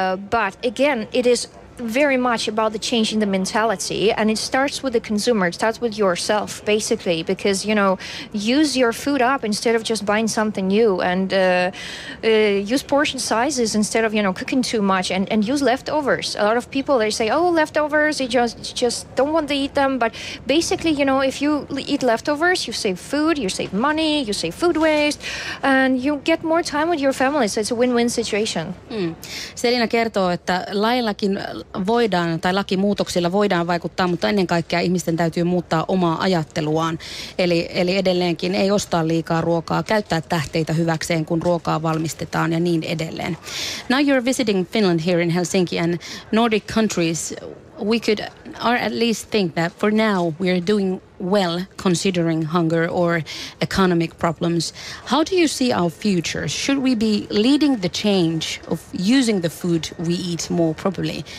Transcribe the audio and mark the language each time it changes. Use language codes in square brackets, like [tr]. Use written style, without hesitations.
[en] But again, it is very much about the changing the mentality, and it starts with the consumer, it starts with yourself, basically, because, you know, use your food up instead of just buying something new, and use portion sizes instead of, you know, cooking too much, and use leftovers. A lot of people, they say, oh, leftovers, you just don't want to eat them, but basically, you know, if you eat leftovers, you save food, you save money, you save food waste, and you get more time with your family, so it's a win-win situation. [fi] Selina kertoo, että laillakin voidaan, tai lakimuutoksilla voidaan vaikuttaa, mutta ennen kaikkea ihmisten täytyy muuttaa omaa ajatteluaan. Eli edelleenkin ei ostaa liikaa ruokaa, käyttää tähteitä hyväkseen, kun ruokaa valmistetaan ja niin edelleen. [en] Now you're visiting Finland here in Helsinki and Nordic countries. We could, or at least think that for now we're doing well, considering hunger or economic problems. How do you see our future? Should we be leading the change of using the food we eat more properly?